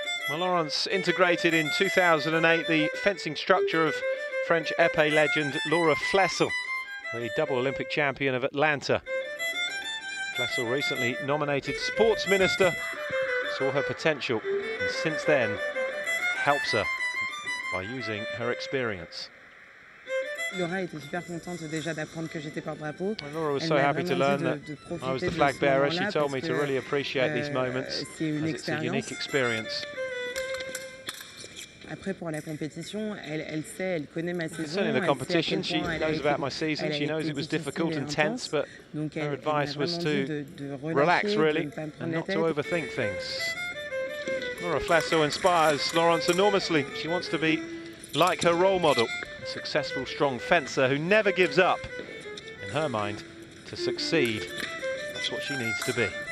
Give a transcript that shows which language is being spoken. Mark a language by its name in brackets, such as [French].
[English] Well, Laurence integrated in 2008 the fencing structure of French épée legend Laura Flessel, the double Olympic champion of Atlanta. Flessel recently nominated sports minister, saw her potential, and since then helps her by using her experience. [French] Laura était super contente déjà d'apprendre que j'étais porte-drapeau. [English] Laura was so happy to learn that I was the flag bearer. She told me to really appreciate these moments. It's a unique experience. [French] Après, pour la compétition, elle sait, elle connaît ma saison. [English] Concerning the competition, she knows about my season. She knows it was difficult and tense, but her advice was to relax, really, and not to overthink things. Laura Flessel inspires Laurence enormously. She wants to be like her role model. A successful, strong fencer who never gives up. In her mind, to succeed, that's what she needs to be.